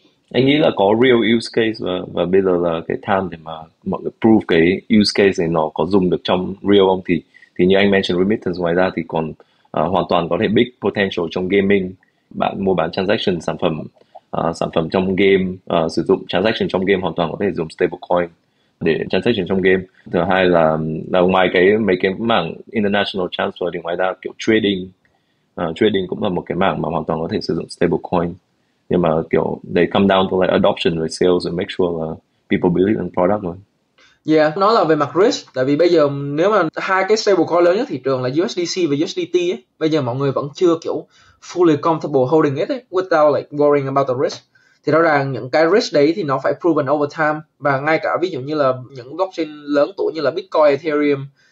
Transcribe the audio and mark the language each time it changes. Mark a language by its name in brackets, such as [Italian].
[Vietnamese] Anh nghĩ là có [English] real use case [Vietnamese] và bây giờ là cái time để mà mọi người prove cái use case này nó có dùng được trong real không, thì như anh mentioned remittance, ngoài ra thì còn hoàn toàn có thể [English] big potential [Vietnamese] trong gaming, bạn mua bán transaction sản phẩm trong game, sử dụng transaction trong game hoàn toàn có thể dùng stablecoin để transaction trong game. Thứ hai là ngoài cái mấy cái mảng international transfer thì ngoài ra kiểu trading, trading cũng là một cái mảng mà hoàn toàn có thể sử dụng stablecoin. Nhưng mà kiểu [English] they come down to like adoption and sales and make sure là people believe in product rồi. [Vietnamese] Nó là về mặt risk, tại vì bây giờ nếu mà hai cái stablecoin lớn nhất thị trường là USDC và USDT ấy, bây giờ mọi người vẫn chưa kiểu [English] fully comfortable holding it [Vietnamese] ấy, [English] without like worrying about the risk. [Vietnamese] Thì rõ ràng những cái risk đấy thì nó phải [English] proven over time, [Vietnamese] và ngay cả ví dụ như là những blockchain lớn tuổi như là Bitcoin, Ethereum.